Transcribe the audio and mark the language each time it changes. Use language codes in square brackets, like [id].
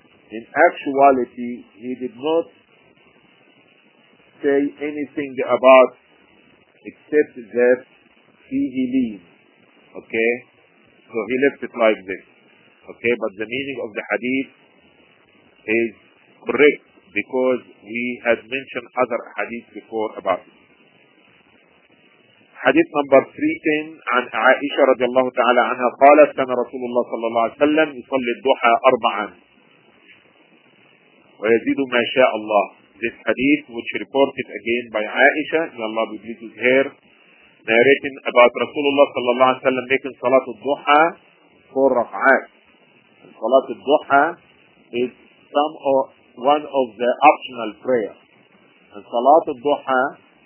[en] In actuality, he did not say anything about except that he leaves. Okay? So he left it like this. Okay? But the meaning of the hadith is correct because we had mentioned other hadith before about it. Hadith number 310 [ar] عن عائشة رضي الله تعالى عنها قالت كان رسول الله صلى الله عليه وسلم يصلي الضحى أربعا ويزيد ما شاء الله. [en] This hadith which reported again by عائشة, may Allah be pleased with her, narrating about Rasulullah [ar] صلى الله عليه وسلم [en] making صلاة الضحى four ركعات. صلاة الضحى is some of, one of the optional prayers. صلاة الضحى